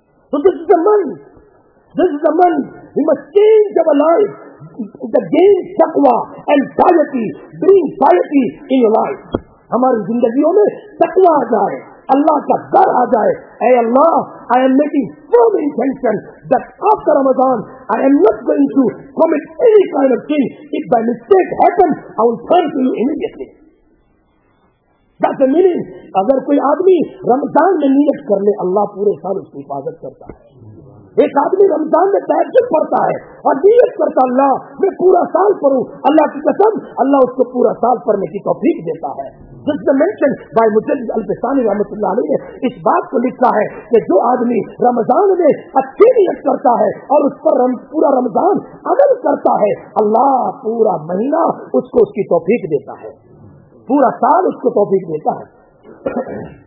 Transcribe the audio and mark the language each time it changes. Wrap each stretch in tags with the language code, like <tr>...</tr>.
<en>So this is the month we must change our life, the gain taqwa and piety, bring piety in your life.</en> <ur>ہماری زندگیوں میں تقویٰ آ جائے, اللہ کا ڈر آ جائے.</ur> <en>اے اللہ, I am making firm intention that after Ramadan I am not going to commit any kind of sin. If by mistake happens, I will turn to you immediately. That's the meaning.</en> <ur>اگر کوئی آدمی رمضان میں نیت کر لے, اللہ پورے سال اس کی حفاظت کرتا ہے. ایک آدمی رمضان میں تہجد پڑھتا ہے اور نیت کرتا ہے, اللہ میں پورا سال پڑھوں, اللہ کی قسم اللہ اس کو پورا سال پڑھنے کی توفیق دیتا ہے.</ur> <en>just mention by</en> <ur>مجدد الفسانی رحمتہ اللہ علیہ نے اس بات کو لکھا ہے کہ جو آدمی رمضان میں اچھی نیت کرتا ہے اور اس پر پورا رمضان عمل کرتا ہے, اللہ پورا مہینہ اس کو اس کی توفیق دیتا ہے, پورا سال اس کو توفیق دیتا ہے.</ur>